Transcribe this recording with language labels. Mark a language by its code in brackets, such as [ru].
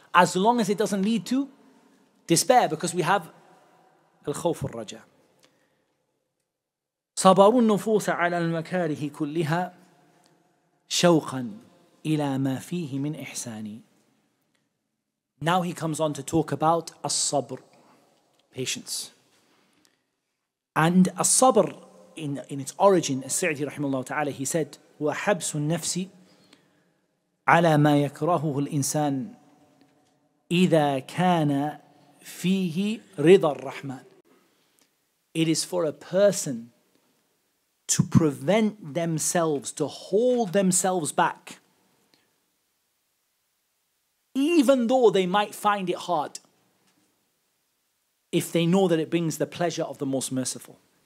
[en] As long as it doesn't lead to despair, because we have al-khawf al-raja. [ar] صَبَرُ النُّفُوسَ عَلَى الْمَكَارِهِ كُلِّهَا شَوْقًا إِلَى مَا فِيهِ مِنْ إِحْسَانِ. [en] Now he comes on to talk about as-sabr, patience. And as-sabr, in its origin, as-sa'idi rahimahullah ta'ala, he said, [ar] وَحَبْسُ النَّفْسِ عَلَى مَا يَكْرَهُهُ الْإِنسَانِ إِذَا كَانَ فِيهِ رِضَ الرَّحْمَنِ. [en] It is for a person to prevent themselves, to hold themselves back, even though they might find it hard, if they know that it brings the pleasure of the Most Merciful.